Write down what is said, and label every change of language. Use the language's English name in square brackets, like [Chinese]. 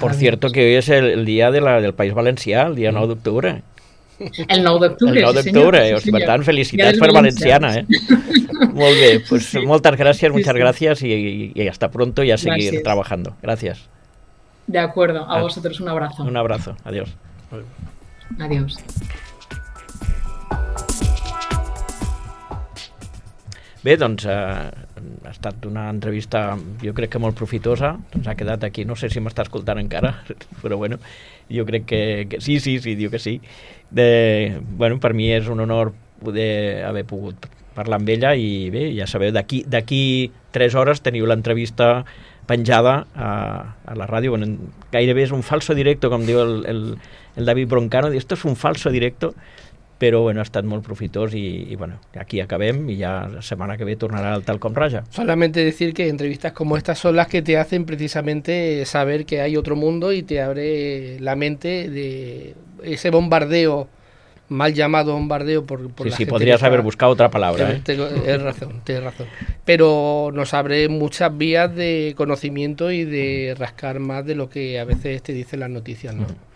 [Spanish] Por cierto que hoy es el día del País Valencià, el día 9 de octubre. [Catalan] El 9 d'octubre. El 9 d'octubre, sí, per tant, felicitats per Valenciana. Molt bé, pues sí. Moltes gràcies, [Spanish] sí, muchas gràcies y hasta pronto y a seguir gracias. Trabajando. Gracias. De acuerdo, a vosotros un abrazo. Un abrazo, adiós. Adiós. [Catalan] Bé, doncs ha estat una entrevista, jo crec que molt profitosa, doncs ha quedat aquí, no sé si m'està escoltant encara, però bueno, jo crec que sí, diu que sí. Bueno, per mi és un honor poder haver pogut parlar amb ella i bé, ja sabeu, d'aquí 3 hores teniu l'entrevista penjada a la ràdio, bueno, gairebé és [Spanish] un falso directo, [Catalan] com diu el David Broncano, [Spanish] esto es un falso directo, [Catalan] però bueno, ha estat molt profitós i bueno, aquí acabem i ja la setmana que ve tornarà al tal com raja. [Spanish] Solamente decir que entrevistas como estas son las que te hacen precisamente saber que hay otro mundo y te abre la mente de ese bombardeo, mal llamado bombardeo por sí, la sí, gente. Podrías haber buscado otra palabra. Tienes razón. Pero nos abre muchas vías de conocimiento y de rascar más de lo que a veces te dicen las noticias, ¿no?